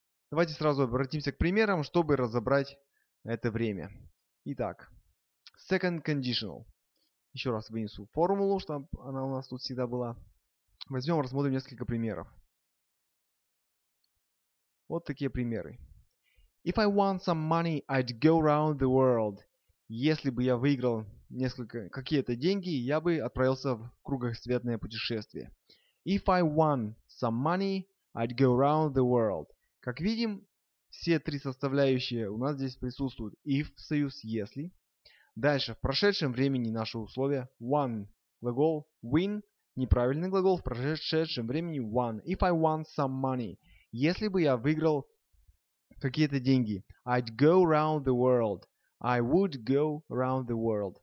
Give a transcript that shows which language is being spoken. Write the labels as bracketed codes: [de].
[ru] Давайте сразу обратимся к примерам, чтобы разобрать это время. Итак, second conditional. Еще раз вынесу формулу, чтобы она у нас тут всегда была. Возьмем, рассмотрим несколько примеров. Вот такие примеры. [en] If I won some money, I'd go around the world. [ru] Если бы я выиграл какие-то деньги, я бы отправился в кругосветное путешествие. [en] If I won some money, I'd go around the world. [ru] Как видим, все три составляющие у нас здесь присутствуют. If – союз «если». Дальше, в прошедшем времени наше условие won, глагол win, неправильный глагол, в прошедшем времени won. [en] If I won some money, [ru] если бы я выиграл какие-то деньги, [en] I'd go around the world, I would go around the world.